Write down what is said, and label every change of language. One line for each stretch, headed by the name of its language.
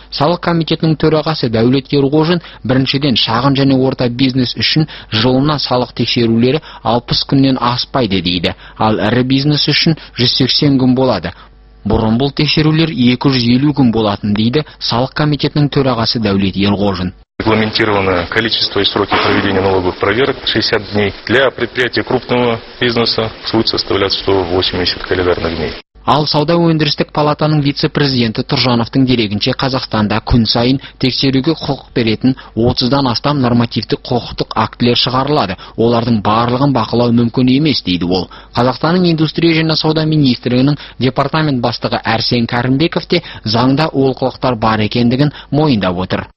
Kazakh: Салық комитетінің төрағасы Дәулет Ерғожин, біріншіден шағын және орта бизнес үшін жылына салық тексерулері 60 күннен аспайды дейді. Ал ірі бизнес үшін 180 күн болады. Бұрын бұл тексерулер 250 күн болатын дейді салық комитетінің төрағасы Дәулет Ерғожин.
Russian: Регламентировано количество и сроки проведения налоговых проверок 60 дней. Для предприятия крупного бизнеса будет составлять 180 календарных дней.
Kazakh: Ал Сауда өндірістік палатаның вице-президенті Тұржановтың дерегінше, Қазақстанда күн сайын тексеруге құқық беретін 30-дан астам нормативті құқықтық актілер шығарылады. Олардың барлығын бақылау мүмкін емес, дейді ол. Қазақстанның индустрия және сауда министрлігінің департамент бастығы Әрсен Кәрімбеков те заңда олқылықтар бар екендігін мойындап отыр.